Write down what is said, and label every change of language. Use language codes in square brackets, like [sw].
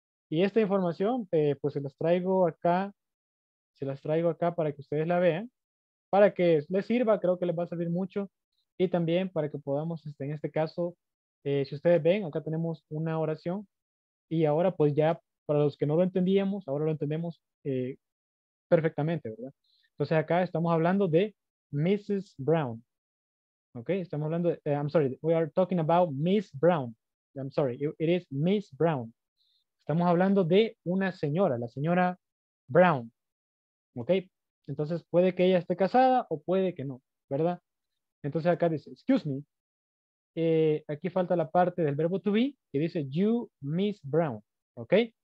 [es] Y esta información, pues se las traigo acá para que ustedes la vean, para que les sirva, creo que les va a servir mucho, y también para que podamos, en este caso, si ustedes ven, acá tenemos una oración, y ahora pues ya, para los que no lo entendíamos, ahora lo entendemos perfectamente, ¿verdad? Entonces acá estamos hablando de Mrs. Brown, ¿ok? Estamos hablando de, [en] I'm sorry, we are talking about Miss Brown, I'm sorry, it is Miss Brown. [es] Estamos hablando de una señora, la señora Brown. ¿Ok? Entonces puede que ella esté casada o puede que no, ¿verdad? Entonces acá dice, [en] excuse me. [es] Aquí falta la parte del verbo to be que dice, you, Miss Brown. ¿Ok?